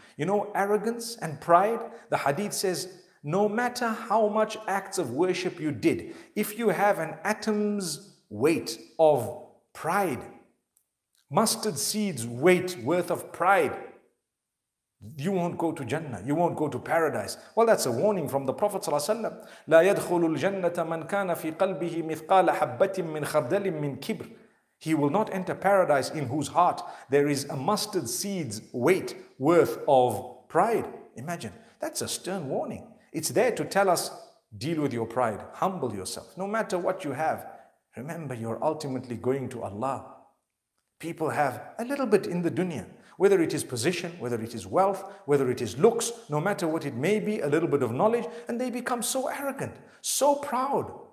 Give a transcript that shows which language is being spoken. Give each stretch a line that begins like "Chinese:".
English: You know, arrogance and pride, the hadith says, no matter how much acts of worship you did, if you have an atom's weight of pride, mustard seeds weight worth of pride, you won't go to Jannah, you won't go to paradise. Well, that's a warning from the Prophet ﷺ.
Arabic: لا يدخل الجنة من كان في قلبه مثقال حبة من خردل من كبر.
English: He will not enter paradise in whose heart there is a mustard seed's weight worth of pride. Imagine, that's a stern warning. It's there to tell us, deal with your pride, humble yourself, no matter what you have. Remember, you're ultimately going to Allah. People have a little bit in the dunya, whether it is position, whether it is wealth, whether it is looks, no matter what it may be, a little bit of knowledge, and they become so arrogant, so proud.